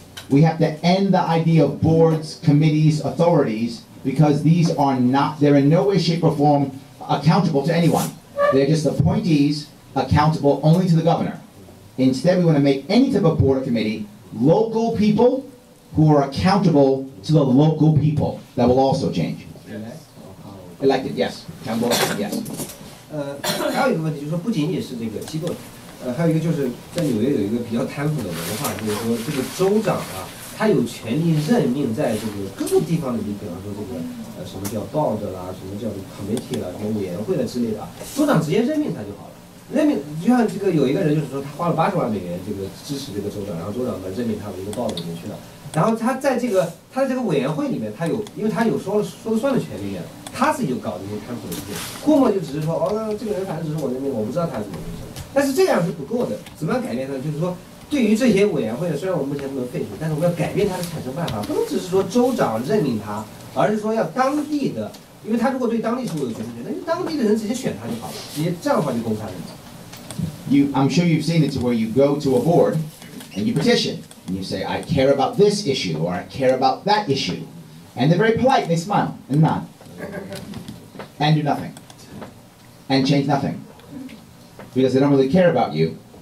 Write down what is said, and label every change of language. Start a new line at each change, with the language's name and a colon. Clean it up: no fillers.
English: We have to end the idea of boards, committees, authorities, because these are not, they're in no way, shape, or form accountable to anyone. They're just appointees accountable only to the governor. Instead, we want to make any type of board or committee local people who are accountable to the local people. That will also change. Elected, yes. Campbell, yes.
Chinese: 还有一个问题，就是说不仅仅是这个机构，还有一个就是在纽约有一个比较贪腐的文化，就是说这个州长啊，他有权利任命在这个各个地方的，你比方说这个什么叫 board 啦，什么叫 committee 啦，什么委员会的之类的，州长直接任命他就好了。任命就像这个有一个人，就是说他花了$800,000这个支持这个州长，然后州长呢任命他为一个 board 里面去了，然后他在这个他的这个委员会里面，他有因为他有说了算的权利啊。他自己就搞这些贪腐的事情，过目就只是说，哦，那这个人反正只是我任命，我不知道他是怎么回事。但是这样是不够的，怎么样改变呢？就是说，对于这些委员会，虽然我们目前不能废除，但是我们要改变它的产生办法，不能只是说州长任命他，而是说要当地的，因为他如果对当地事务有决定权，那就当地的人直接选他就好了，直接这样的话就公开了。
English: I'm sure you've seen it to where you go to a board and you petition and you say I care about this issue or I care about that issue, and they're very polite, they smile and nod. And do nothing. And change nothing. Because they don't really care about you.